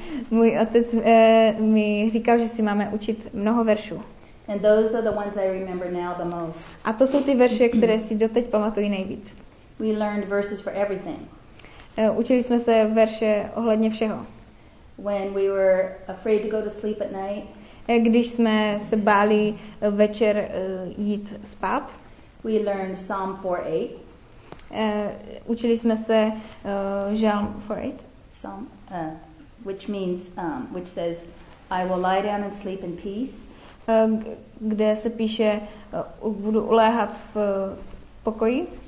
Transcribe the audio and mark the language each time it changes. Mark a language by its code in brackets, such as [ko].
[cs] Můj otec mi říkal, že si máme učit mnoho veršů. [en] And those are the ones I remember now the most. [cs] A to jsou ty verše, které si doteď pamatuji nejvíc. [en] We learned verses for everything. [cs] Učili jsme se verše ohledně všeho. [en] When we were afraid to go to sleep at night. [cs] Když jsme se báli večer jít spát. [en] We learned Psalm 4:8. [cs] Učili jsme se žalm 4:8, [en] which means which says I will lie down and sleep in peace. [cs] Kde se píše budu uléhat v pokoji.